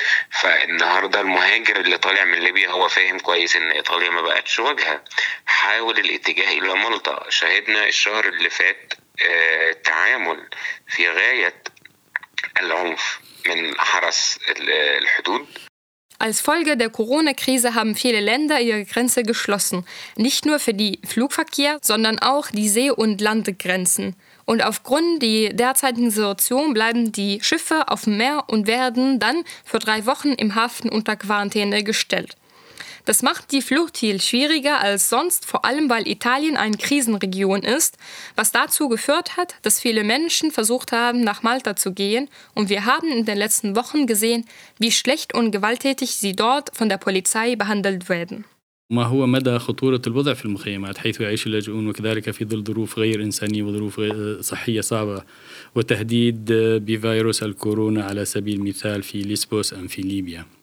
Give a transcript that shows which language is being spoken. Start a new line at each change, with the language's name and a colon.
Arabic: فالنهارده المهاجر اللي طالع من ليبيا هو فاهم كويس ان ايطاليا ما بقتش وجهه، حاول الاتجاه الى مالطا. شاهدنا الشهر اللي فات تعامل في غايه العنف من حرس الحدود.
German: Als Folge der Corona-Krise haben viele Länder ihre Grenze geschlossen, nicht nur für den Flugverkehr, sondern auch die See- und Landgrenzen. Und aufgrund der derzeitigen Situation bleiben die Schiffe auf dem Meer und werden dann für 3 Wochen im Hafen unter Quarantäne gestellt. Das macht die Flucht viel schwieriger als sonst, vor allem weil Italien eine Krisenregion ist, was dazu geführt hat, dass viele Menschen versucht haben, nach Malta zu gehen. Und wir haben in den letzten Wochen gesehen, wie schlecht und gewalttätig sie dort von der Polizei behandelt werden.
Arabic: ما هو مدى خطورة الوضع في المخيمات حيث يعيش اللاجئون وكذلك في ظل ظروف غير إنسانية وظروف صحية صعبة وتهديد بفيروس الكورونا على سبيل المثال في ليسبوس أم في ليبيا؟